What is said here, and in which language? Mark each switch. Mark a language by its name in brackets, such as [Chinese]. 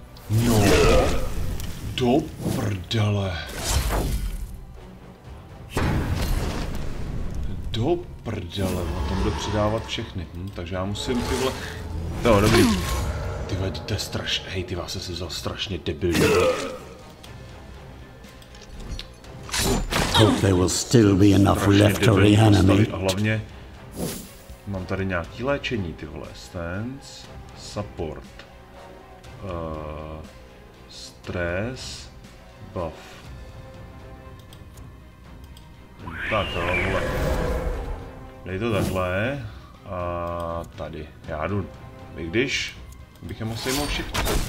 [Czech] No. Do prdele. Do prdele, on tam bude přidávat všechny, takže já musím tyhle... No, dobrý. Tyhle, to je strašně, hej, ty vás jsi vzal strašně debilně. [English] Hope there will still be enough left to reanimate. [Czech] A hlavně, mám tady nějaký léčení, tyhle. [English] Stance, support, stress, buff. [Czech] Tak, tohle. Dej to takhle a tady, já jdu, i když bych je mohl sejmout všichni.